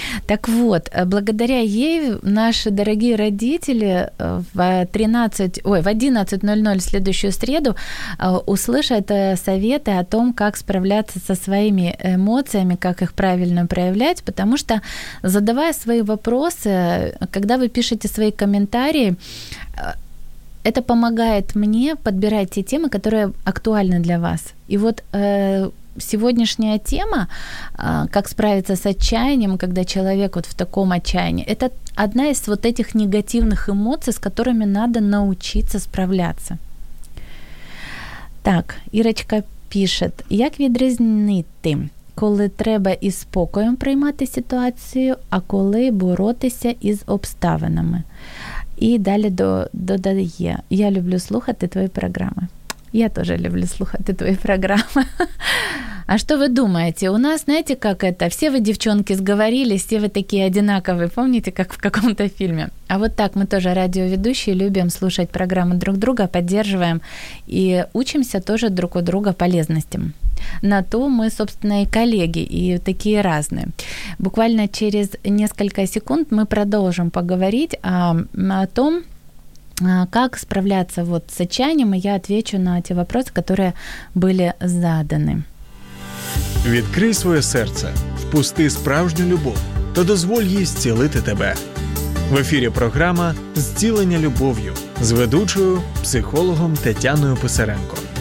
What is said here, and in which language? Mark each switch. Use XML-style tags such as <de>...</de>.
<ru>Так вот, благодаря ей наши дорогие родители в 11:00 в следующую среду услышат советы о том, как справляться со своими эмоциями, как их правильно проявлять, потому что, задавая свои вопросы, когда вы пишете свои комментарии, это помогает мне подбирать те темы, которые актуальны для вас. И вот сегодняшняя тема, как справиться с отчаянием, когда человек вот в таком отчаянии, это одна из вот этих негативных эмоций, с которыми надо научиться справляться.</ru> <uk>Так, Ірочка пише, як відрізнити, коли треба із спокоєм приймати ситуацію, а коли боротися із обставинами. І далі додає, я люблю слухати твої програми. Я теж люблю слухати твої програми. А що ви думаєте? У нас, знаєте, як це? Всі ви, дівчинки, зговорились, всі ви такі одинакові, пам'ятаєте, як в якомусь фільмі?</uk> <ru>А вот так мы тоже радиоведущие любим слушать программы друг друга, поддерживаем и учимся тоже друг у друга полезностям. На то мы, собственно, и коллеги, и такие разные. Буквально через несколько секунд мы продолжим поговорить о том, как справляться вот с отчаянием, и я отвечу на те вопросы, которые были заданы.</ru> <uk>Відкрий своє серце, впусти справжню любов та дозволь їй зцілити тебе. В ефірі програма «Зцілення любов'ю» з ведучою, психологом Тетяною Писаренко.</uk>